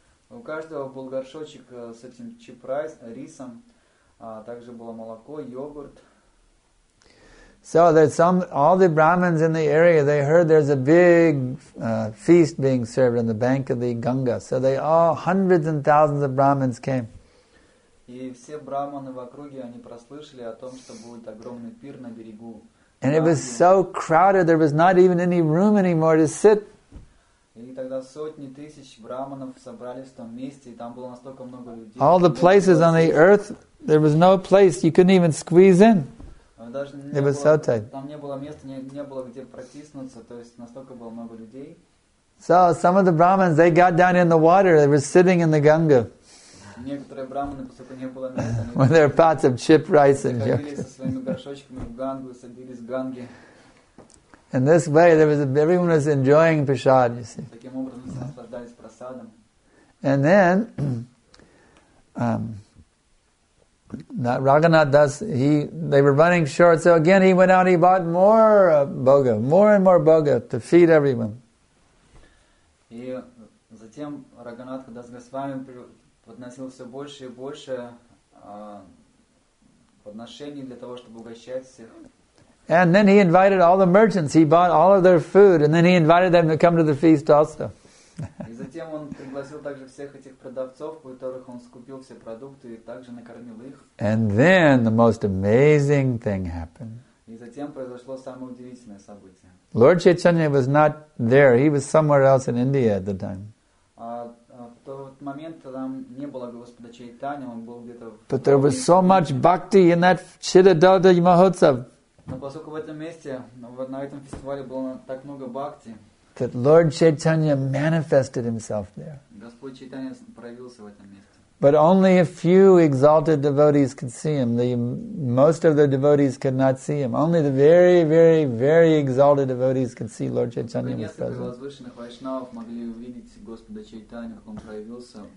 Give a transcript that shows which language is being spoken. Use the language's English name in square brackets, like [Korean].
[Russian] У каждого был горшочек с этим chipped рисом. Также было молоко, йогурт. [English] So that some, all the Brahmins in the area, they heard there's a big feast being served on the bank of the Ganga. So they all, hundreds and thousands of Brahmins came. [Russian] И все брахманы в округе, они прослышали о том, что будет огромный пир на берегу. [English] And it was so crowded, there was not even any room anymore to sit. [Russian] И тогда сотни тысяч брахманов собрались в том месте, и там было настолько много людей. [English] All the places on the earth, there was no place you couldn't even squeeze in. It was so tight. [Russian] Там не было места, не было где протиснуться, то есть настолько было много людей. [English] So some of the brahmins, they got down in the water. They were sitting in the Ganga. [Russian] Некоторые брахманы, поскольку не было места, [English] with their pots of chip rice and jokes. [Russian] Ходили со своими горшочками в Гангу, садились в Ганге. [English] In this way, there was everyone was enjoying prasad. You see. [Russian] Таким образом, все наслаждались прасадом. [English] And then, that Raghunath Das, they were running short, so again he went out, he bought more bhoga, more and more bhoga to feed everyone. [Russian] И затем Раганат Дас Госвами подносил все больше и больше подношений для того, чтобы угощать всех. [English] And then he invited all the merchants, he bought all of their food, and then he invited them to come to the feast also. [Russian] И затем он пригласил также всех этих продавцов, у которых он скупил все продукты, и также накормил их. [English] And then the most amazing thing happened. [Russian] И затем произошло самое удивительное событие. [English] Lord Chaitanya was not there. He was somewhere else in India at the time. [Russian] В тот момент там не было Господа Чайтани, он был где-то в... [English] But there was so much bhakti in that Chittadada Mahotsav. [Russian] Но поскольку в этом месте, на этом фестивале было так много бхакти, [English] that Lord Chaitanya manifested himself there. [Russian] Господь Чайтанья проявился в этом месте. [English] But only a few exalted devotees could see him. The most of the devotees could not see him. Only the very, very, very exalted devotees could see Lord Chaitanya was present. [Russian] Конечно, возвышенных вайшнавов могли увидеть Господа Чайтанья, как он проявился.